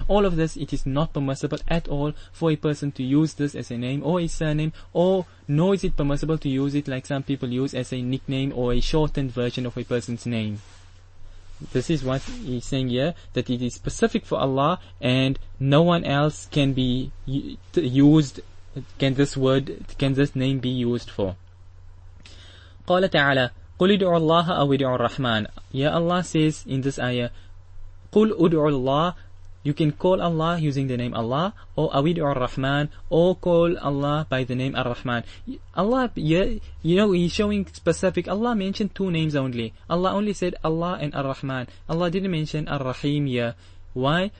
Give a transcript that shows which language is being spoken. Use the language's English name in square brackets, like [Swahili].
[English] All of this, it is not permissible at all for a person to use this as a name or a surname, or nor is it permissible to use it like some people use as a nickname or a shortened version of a person's name. This is what he's saying here, that it is specific for Allah and no one else can be used, can this word, can this name be used for. [Arabic] قال تعالى قل ادعوا الله أو ادعوا الرحمن. [English] Here Allah says in this ayah, [Arabic] قُلْ أُدْعُوا اللَّهِ. [English] You can call Allah using the name Allah, or [Arabic] أَوِدْعُوا الرَّحْمَنِ, [English] or call Allah by the name Ar-Rahman. Allah, you know, He's showing specific. Allah mentioned two names only. Allah only said Allah and Ar-Rahman. Allah didn't mention Ar-Rahim here. Why?